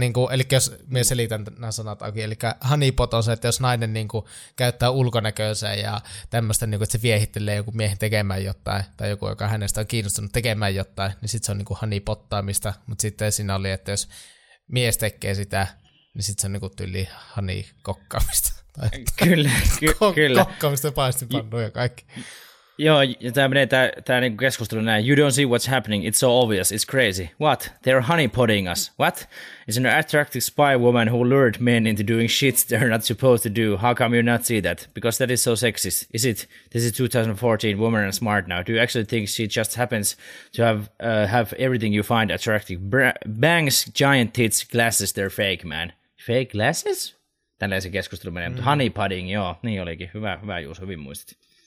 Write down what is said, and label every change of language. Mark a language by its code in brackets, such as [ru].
[fi] Eli jos minä selitän nämä sanat auki, eli honeypot on se, että jos nainen niin kuin, käyttää ulkonäköisiä ja tämmöistä, niin kuin, että se viehittelee joku miehen tekemään jotain, tai joku, joka hänestä on kiinnostunut tekemään jotain, niin sitten se on niin kuin, honeypottaamista, mutta sitten siinä oli, että jos mies tekee sitä, niin sitten se on niin kuin, tyyli honeykokkaamista. Kyllä, kyllä. Kokkaamista, paistinpannua ja kaikki. Joo, ja tämä menee, tämä niinku keskustelu näin. [en] You don't see what's happening. It's so obvious. It's crazy. What? They're honeypotting us. What? It's an attractive spy woman who lured men into doing shit they're not supposed to do. How come you not see that? Because that is so sexist. Is it? This is 2014. Women are smart now. Do you actually think she just happens to have everything you find attractive? Bangs, giant tits, glasses, they're fake, man. Fake glasses? [fi] Tällainen se keskustelu menee. Mutta honeypotting, joo. Niin olikin. Hyvä Juus, hyvin muistit.